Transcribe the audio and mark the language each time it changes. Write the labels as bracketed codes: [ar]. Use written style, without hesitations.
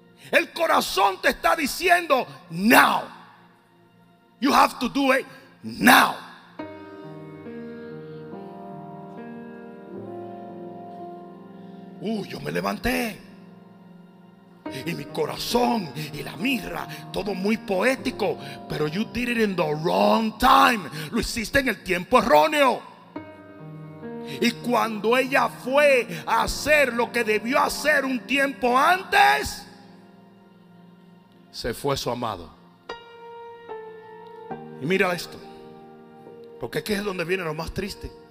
[es] El corazón te está diciendo: [en] now. You have to do it now. [es] Yo me levanté. Y mi corazón y la mirra, todo muy poético. [en] Pero you did it in the wrong time. [es] Lo hiciste en el tiempo erróneo. Y cuando ella fue a hacer lo que debió hacer un tiempo antes, se fue su amado. Y mira esto, porque aquí es donde viene lo más triste.